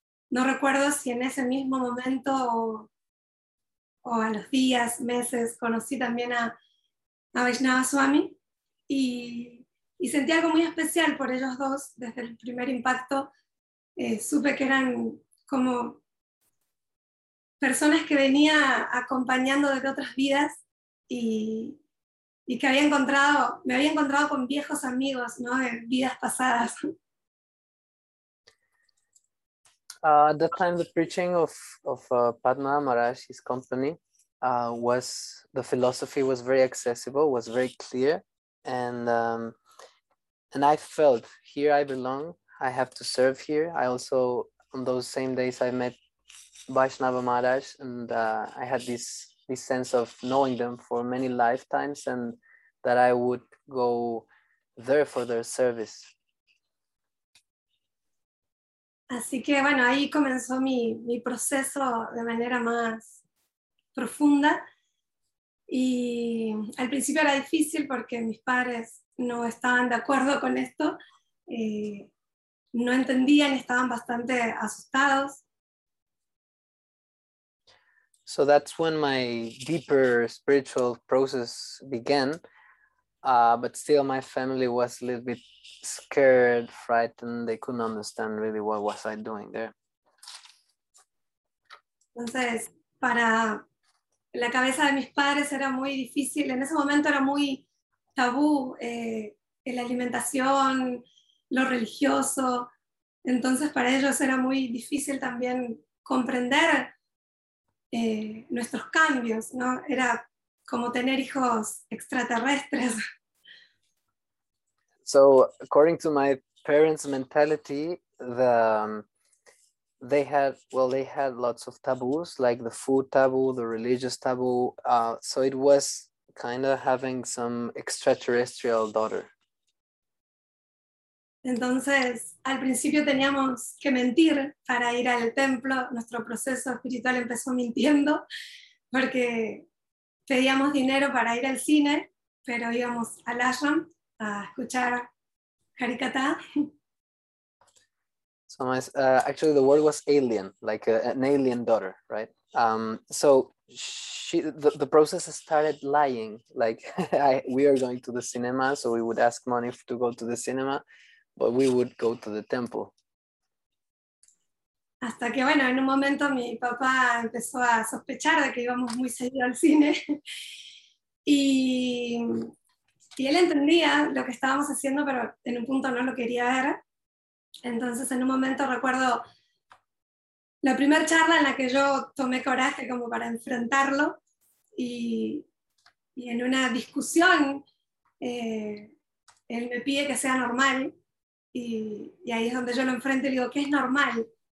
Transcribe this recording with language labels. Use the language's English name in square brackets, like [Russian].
[Spanish] No recuerdo si en ese mismo momento o a los días, meses, conocí también a Vaishnava Swami y sentí algo muy especial por ellos dos desde el primer impacto. Supe que eran como personas que venía acompañando desde otras vidas y que había encontrado, me había encontrado con viejos amigos, ¿no? De vidas pasadas. [English] At that time, the preaching of Padma Maharaj, his company, was, the philosophy was very accessible, was very clear, and I felt, here I belong, I have to serve here. I also, on those same days, I met Vaishnava Maharaj, and I had this sense of knowing them for many lifetimes, and that I would go there for their service. [Spanish] Así que bueno, ahí comenzó mi proceso de manera más profunda. Y al principio era difícil porque mis padres no estaban de acuerdo con esto. No entendían, estaban bastante asustados. [English] So that's when my deeper spiritual process began. But still my family was a little bit scared, frightened. They couldn't understand really what was I doing there. [Spanish] Entonces, para la cabeza de mis padres era muy difícil. En ese momento era muy tabú la alimentación, lo religioso. Entonces, para ellos era muy difícil también comprender nuestros cambios, ¿no? Era como tener hijos extraterrestres. [English] So according to my parents' mentality, they had lots of taboos, like the food taboo, the religious taboo. So it was kind of having some extraterrestrial daughter. [Spanish] Entonces, al principio teníamos que mentir para ir al templo. Nuestro proceso espiritual empezó mintiendo porque pedíamos dinero para ir al cine, pero íbamos al ashram a escuchar. [English] So my actually the word was alien, like an alien daughter, right? So she the process started lying, like we are going to the cinema, so we would ask money to go to the cinema, but we would go to the temple. [Spanish] Hasta que bueno, en un momento mi papá empezó a sospechar de que íbamos muy seguido al cine y Y él entendía lo que estábamos haciendo, pero en un punto no lo quería ver. Entonces, en un momento recuerdo la primera charla en la que yo tomé coraje como para enfrentarlo y en una discusión él me pide que sea normal y ahí es donde yo lo enfrento y digo, ¿qué es normal?